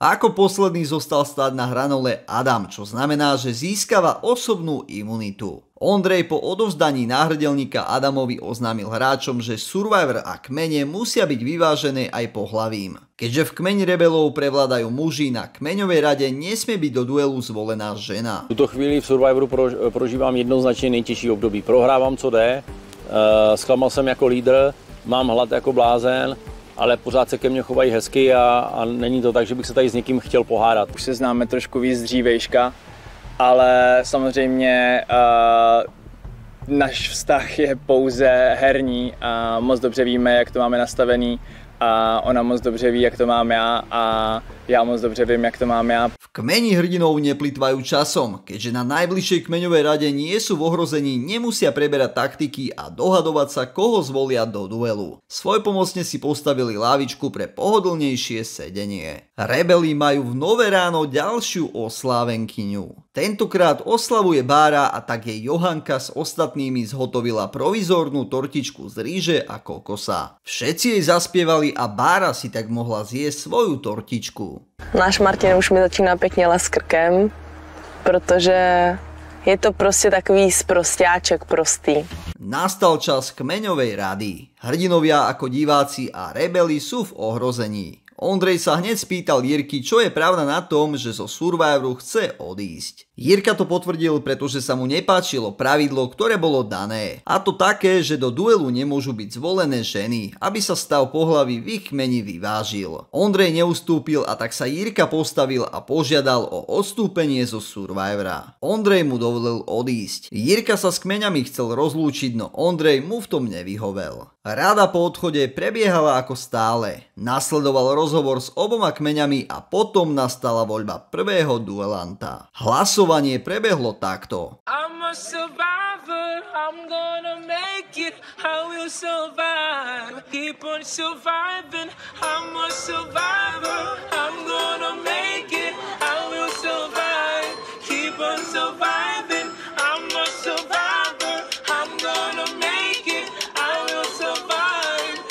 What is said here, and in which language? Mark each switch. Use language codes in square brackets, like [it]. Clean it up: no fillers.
[sk] Ako posledný zostal stáť na hranole Adam, čo znamená, že získava osobnú imunitu. Ondrej po odovzdaní náhrdelníka Adamovi oznámil hráčom, že Survivor a kmene musia byť vyvážené aj pohlavím. Keďže v kmeni rebelov prevládajú muži, na kmeňovej rade nesmie byť do duelu zvolená žena. [cs] V tuto chvíli v Survivoru prožívam jednoznačne nejtežší období. Prohrávam, co jde, sklamal jsem jako lídr, mám hlad jako blázen, ale pořád se ke mně chovají hezky a není to tak, že bych se tady s někým chtěl pohádat. Už se známe trošku víc dřívejška, ale samozřejmě náš vztah je pouze herní a moc dobře víme, jak to máme nastavený. A ona moc dobře ví, jak to mám já a já moc dobře vím, jak to mám já. [sk] V kmeni hrdinov neplitvajú časom, keďže na najbližšej kmeňovej rade nie sú v ohrození, nemusia preberať taktiky a dohadovať sa, koho zvolia do duelu. Svojpomocne si postavili lávičku pre pohodlnejšie sedenie. Rebeli majú v nové ráno ďalšiu oslávenkyňu. Tentokrát oslavuje Bára a tak jej Johanka s ostatnými zhotovila provizornú tortičku z rýže a kokosa. Všetci jej zaspievali a Bára si tak mohla zjesť svoju tortičku. [cs] Náš Martin už mi začína pekne laskrkem, pretože je to proste takový sprostiaček prostý. [sk] Nastal čas kmeňovej rady. Hrdinovia ako diváci a rebeli sú v ohrození. Ondrej sa hneď spýtal Jirky, čo je pravda na tom, že zo Survivoru chce odísť. Jirka to potvrdil, pretože sa mu nepáčilo pravidlo, ktoré bolo dané. A to také, že do duelu nemôžu byť zvolené ženy, aby sa stav pohlaví v ich meni vyvážil. Ondrej neustúpil a tak sa Jirka postavil a požiadal o odstúpenie zo Survivora. Ondrej mu dovolil odísť. Jirka sa s kmeňami chcel rozlúčiť, no Ondrej mu v tom nevyhovel. Rada po odchode prebiehala ako stále. Nasledoval rozhovor s oboma kmeňami a potom nastala voľba prvého duelanta. Hlasovanie prebehlo takto. [en] I'm a survivor, I'm gonna make it, I will survive. Keep on surviving, I'm a survivor, I'm gonna make it, I will survive. Keep on surviving, I'm a survivor, I'm gonna make it, I will survive.